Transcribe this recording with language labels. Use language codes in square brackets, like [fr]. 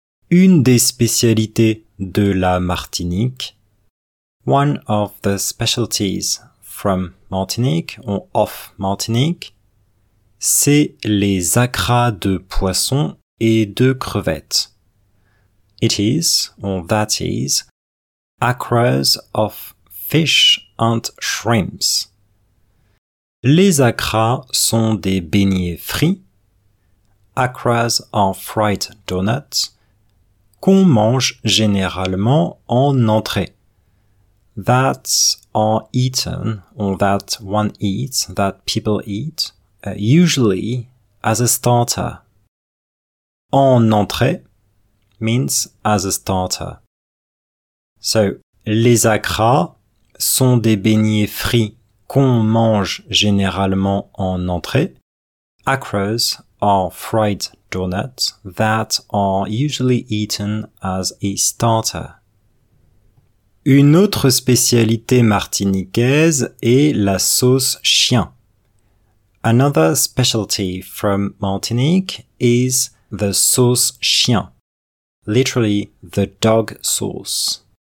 [fr] Une des spécialités de la Martinique. [en] One of the specialties from Martinique or of Martinique, [fr] c'est les acras de poisson et de crevettes. [en] It is, or that is, acras of fish and shrimps. [fr] Les acras sont des beignets frits. [en] Acras are fried donuts. [fr] Qu'on mange généralement en entrée. [en] That are eaten, or that one eats, that people eat, usually as a starter. [fr] En entrée [en] means as a starter. [fr] So, les acras sont des beignets frits qu'on mange généralement en entrée. [en] Acras are fried donuts that are usually eaten as a starter. [fr] Une autre spécialité martiniquaise est la sauce chien. [en] Another specialty from Martinique is the sauce chien, literally the dog sauce.